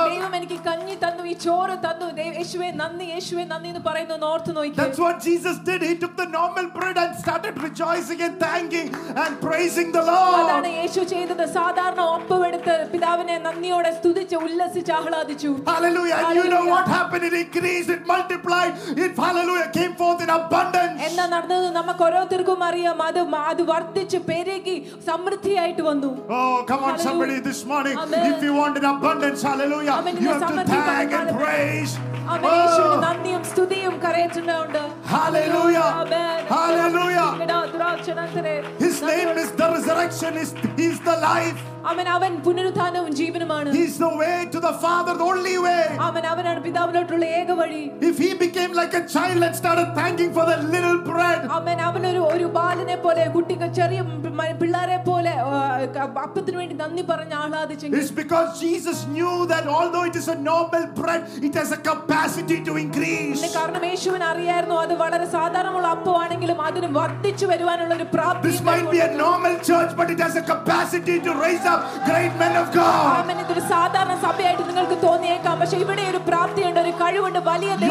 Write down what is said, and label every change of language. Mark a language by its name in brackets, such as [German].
[Malayalam] ദൈവം എനിക്ക് കഞ്ഞി തന്നു ഈ ചോറ് തന്നു യേശുവേ നന്ദി യേശുവേ നന്ദി എന്ന് പറയുന്നു നോർത്ത് നോക്കി. [English] That's what Jesus did. He took the normal bread and started rejoicing and thanking and praising the Lord. [Malayalam] അതാണ് യേശു ചെയ്തത് സാധാരണ ഒപ്പം എടുത്ത് പിതാവിനെ നന്ദിയോടെ സ്തുതിച്ച് ഉല്ലസിച്ച് ആഹ്ലാദിച്ചു. [English] Hallelujah. And you know what happened? It increased, it multiplied, it hallelujah came forth in abundance. [Malayalam] എന്താ നടന്നത് നമുക്ക് ഓരോരുത്തർക്കും അറിയാം അത് അത് വർദ്ധിച്ച് പെരുകി സമൃദ്ധിയായിട്ട് വന്നു. [English] Oh, come on, somebody this morning. Amen. If you want an abundance, hallelujah, amen. You have to thank and praise. [Malayalam] Amen. Oh. Nandiyum stuthiyum karayittundu. [English] Hallelujah. Amen. Hallelujah. His name is the resurrection, he's the life. [Malayalam] അവൻ അവൻ പുനരുത്ഥാനവും ജീവനുമാണ്. [English] He is the way to the father, the only way. [Malayalam] അവൻ അവനാണ് പിതാവിലോട്ടുള്ള ഏക വഴി. [English] If he became like a child and started thanking for the little bread. [Malayalam] അവൻ അവൻ ഒരു ഒരു ബാലനെ പോലെ കുട്ടിക്ക് ചെറിയ പിള്ളാരെ പോലെ അപ്പത്തിനു വേണ്ടി നന്ദി പറഞ്ഞു ആഹ്ലാദിച്ചെങ്കിൽ. [English] It's because Jesus knew that although it is a normal bread, it has a capacity to increase. [Malayalam] കാരണം യേശുവിന് അറിയായിരുന്നു അത് വളരെ സാധാരണമുള്ള അപ്പമാണെങ്കിലും അതിന് വർദ്ധിച്ചു വരുവാനുള്ള ഒരു പ്രാപ്തി. [English] This might be a normal church but it has a capacity to raise great men of God. Amen. [Malayalam] ഇതൊരു സാധാരണ സഭയായിട്ട് നിങ്ങൾക്ക് തോന്നിയേക്കാം പക്ഷേ ഇവിടെ ഒരു പ്രാപ്തിയുണ്ട് ഒരു കഴിവുണ്ട് വലിയ